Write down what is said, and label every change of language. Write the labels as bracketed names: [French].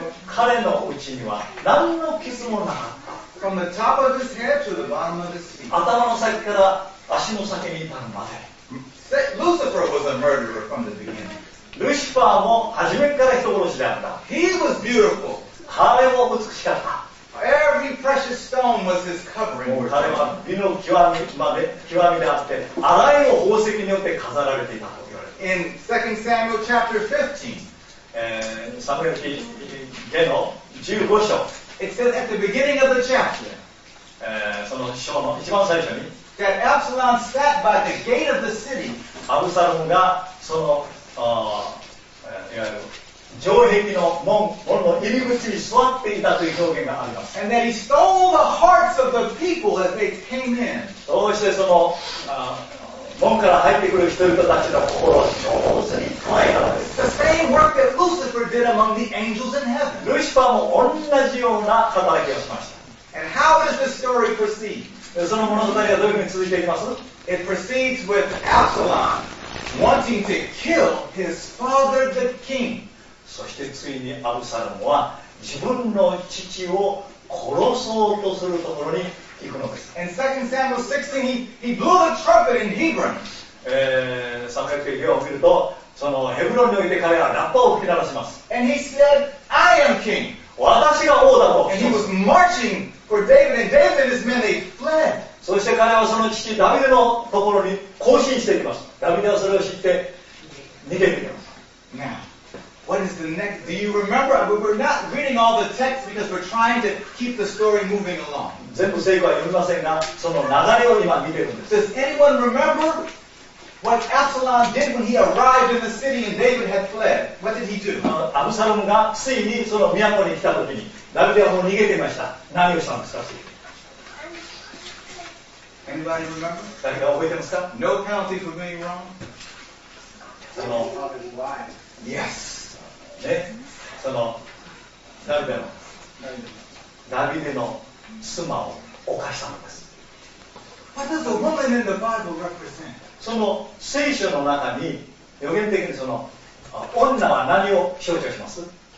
[Japanese] 彼のうちには何の傷もなかった。 [English] From the top of his head to the bottom of his feet. [Japanese] 頭の先から足の先に至るまで。 [English] Lucifer was a murderer from the beginning. [Japanese] ルシファーも初めから人殺しであった。 [English] He was beautiful. [Japanese] 彼も美しかった。 [English] Every precious stone was his covering. [Japanese] 彼は美の極みまで、極みであって、あらゆる宝石によって飾られていた。 [English] In 2 Samuel chapter 15, [Japanese] サムエル記下の15章 [English] it says at the beginning of the chapter, [Japanese] その章の一番最初に [English] that Absalom sat by the gate of the city, [Japanese] アブサロムがその、いわゆる城壁の門の入り口に座っていたという表現があります。 [English] And that he stole the hearts of the people as they came in. [Japanese] どうしてその、門から入ってくる人々たちの心を上手に捉えたのです。 [English] The same work that Lucifer did among the angels in heaven. [Japanese] ルシファーも同じような働きをしました。 [English] And how does the story proceed? [Japanese] その物語はどういうふうに続いていきます? [English] It proceeds with Absalom wanting to kill his father the king. [Japanese] そしてついにアブサロムは自分の父を殺そうとするところに [English] In 2 Samuel 16, he blew the trumpet in Hebron. [Japanese] サムエル記を見ると、そのヘブロンにおいて彼はラッパを吹き鳴らします。 [English] And he said, I am king. [Japanese] 私が王だと。 [English] And he was marching for David, and David and his men, they fled. [Japanese] そして彼はその父ダビデのところに行進していきます。ダビデはそれを知って逃げていきます。 [English] Now, what is the next? Do you remember? We're not reading all the text because we're trying to keep the story moving along. [Japanese] 全部聖句は読みませんが、その流れを今見ているんです。 [English] Does anyone remember what Absalom did when he arrived in the city and David had fled? What did he do? [Japanese] アブサロムがついにその都に来たときに、ダビデはもう逃げていました。何をしたんですか？ [English] Anybody remember? [Japanese] 誰か覚えてますか？ [English] No penalty for being wrong. その、 Yes. [Japanese] ね、その、ダビデの、ダビデの妻を犯したのです。 [English] What does the woman in the Bible represent? [Japanese] その聖書の中に、予言的にその女は何を象徴します?